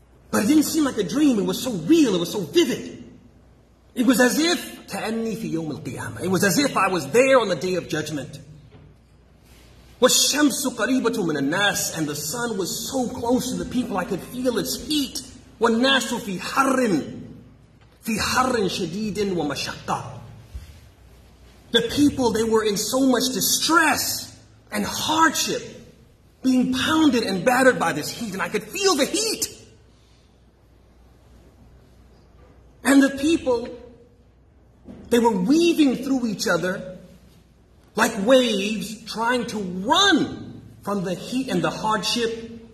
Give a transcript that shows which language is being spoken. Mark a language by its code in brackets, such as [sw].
[en] But it didn't seem like a dream. It was so real. It was so vivid. It was as if [ar] تأني في يوم القيامة. [en] It was as if I was there on the day of judgment. [ar] والشمس قريبة من الناس, [en] and the sun was so close to the people I could feel its heat. [ar] والناس في حر, في حر شديد ومشقة. [en] The people, they were in so much distress and hardship, being pounded and battered by this heat, and I could feel the heat. And the people, they were weaving through each other like waves, trying to run from the heat and the hardship.